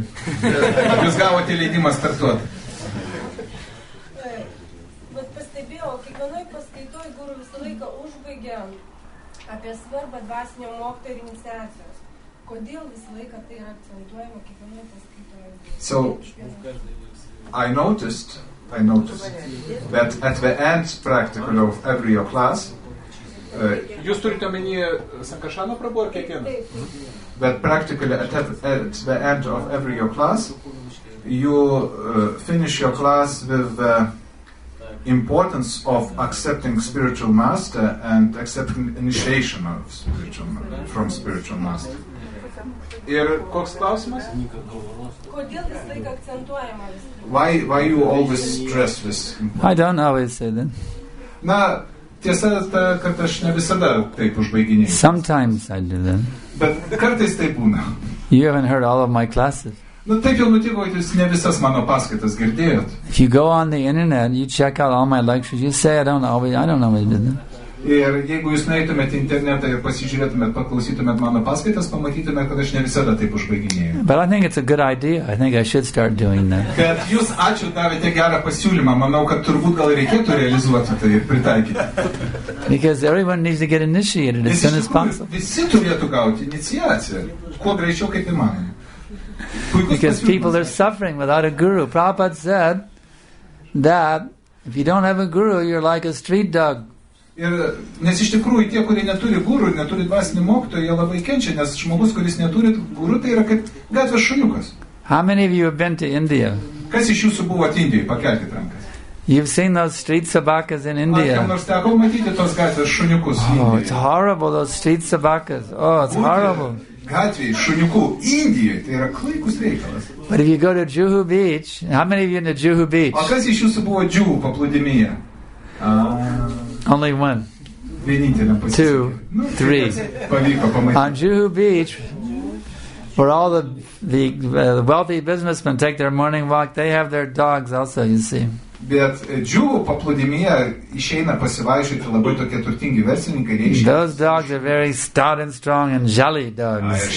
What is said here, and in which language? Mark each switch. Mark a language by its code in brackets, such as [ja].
[lt] Jūs gavote leidimą startuoti. Bet pastebėjau, kiekvienoj paskaitoj guru visą laiką užbaigia apie svarbą dvasinio mokto ir iniciacijos. Kodėl visą laiką tai yra akcentuojama kiekvienoj paskaitoj? [en] So, I noticed that at the end practical of every your class [lt] jūs turite omeny Sankašano prabu ar kiekvieną? [en] That practically at the end of every your class you finish your class with the importance of accepting spiritual master and accepting initiation of spiritual from spiritual master. [lt] Ir koks klausimas? Kodėl vis laik akcentuojama vis? [en] Why you always stress this? I don't always say that. [lt] Na, tiesa ta, kad aš ne visada taip užbaiginėjau. [en] Sometimes I do that. [lt] Bet kartais taip būna. [en] You haven't heard all of my classes. [lt] Na, taip jau nutiko, kad jūs ne visas mano paskaitas girdėjot. [en] If you go on the internet, you check out all my lectures, you say I don't always do that. [lt] Ir jeigu jūs neitumėt internetą ir pasižiūrėtumėt, paklausytumėt mano paskaitas, pamatytumėt, kad aš ne visada taip užbaiginėjau. [en] But I think it's a good idea. I think I should start doing that. [lt] Bet jūs ačiū davėte gerą pasiūlymą. Manau, kad turbūt gal reikėtų realizuoti tai ir pritaikyti. [en] Because everyone needs to get initiated as soon as possible. [lt] Visi turėtų gauti iniciaciją. Kuo greičiau, kaip įmanoma. [en] Because people are suffering without a guru. Prabhupada said that if you don't have a guru, you're like a street dog. [lt] Ir nes iš tikrųjų tie, kurie neturi guru, neturi dvasinį mokytoją, jie labai kenčia, nes žmogus, kuris neturi guru, tai yra kaip gatvės šuniukas. [en] How many of you have been to India? [lt] Kas iš jūsų buvo Indijoje? Pakelkit rankas. [en] You've seen those street sabakas in India. Oh, it's horrible, those street sabakas. Oh, it's horrible. [lt] Gatvėj, šuniukų, Indijoje, tai yra klaikus reikalas. [en] But if you go to Juhu Beach, how many of you in the Juhu Beach? [lt] O kas iš jūsų buvo Juhu paplūdimyje? [en] Only one. Two, three. On Juhu Beach, where all the wealthy businessmen take their morning walk, they have their dogs also, you see. [lt] Bet džiuvų paplūdimyje išeina pasivaišyti labai tokie turtingi verslininkai. [en] Those dogs are very stout and strong and jolly dogs.